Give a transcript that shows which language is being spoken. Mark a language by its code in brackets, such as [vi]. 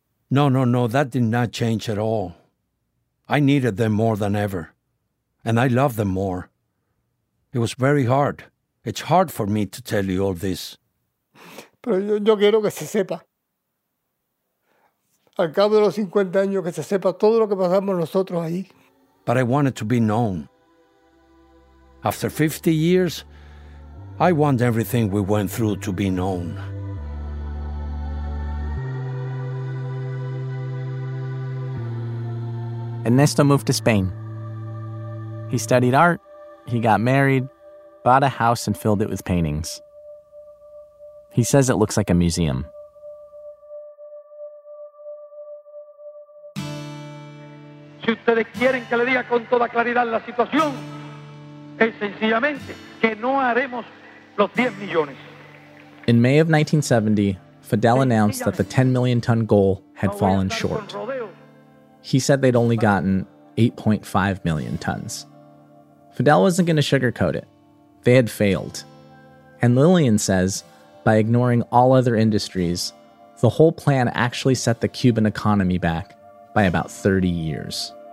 [en] No, that did not change at all. I needed them more than ever, and I love them more. It was very hard. It's hard for me to tell you all this. [es] Pero yo quiero que se sepa. Al cabo de los 50 años, que se sepa todo lo que pasamos nosotros ahí. [en] But I want it to be known. After 50 years, I want everything we went through to be known. Ernesto moved to Spain. He studied art, he got married, bought a house and filled it with paintings. He says it looks like a museum. [es] Si ustedes quieren que le diga con toda claridad la situación, es sencillamente que no haremos los 10 millones. [en] In May of 1970, Fidel announced that the 10 million ton goal had fallen short. He said they'd only gotten 8.5 million tons. Fidel wasn't going to sugarcoat it. They had failed. And Lillian says, by ignoring all other industries, the whole plan actually set the Cuban economy back by about 30 years.